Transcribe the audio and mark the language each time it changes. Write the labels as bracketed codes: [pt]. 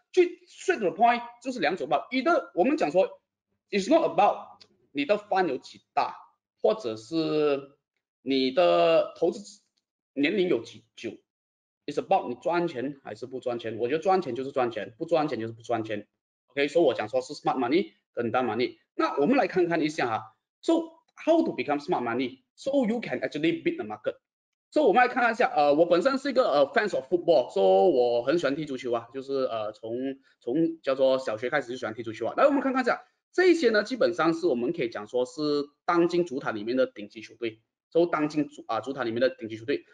[zh] 最 [en] straight the point [zh] 就是两种吧，一个我们讲说 ， [en] it's not about [zh] 你的 fund 有几大，或者是你的投资年龄有几久 ， [en] it's about [zh] 你赚钱还是不赚钱。我觉得赚钱就是赚钱，不赚钱就是不赚钱。 OK， 所以我讲说是 smart money 跟 dumb money。 那我们来看看一下哈 ， [en] so how to become smart money， so you can actually beat the market。 [zh] 所以我们来看一下，我本身是一个 [en] fans of football， [zh] 所以我很喜欢踢足球啊，就是从叫做小学开始就喜欢踢足球啊。来，我们看看一下，这些呢基本上是我们可以讲说是当今足坛里面的顶级球队，就当今足坛里面的顶级球队。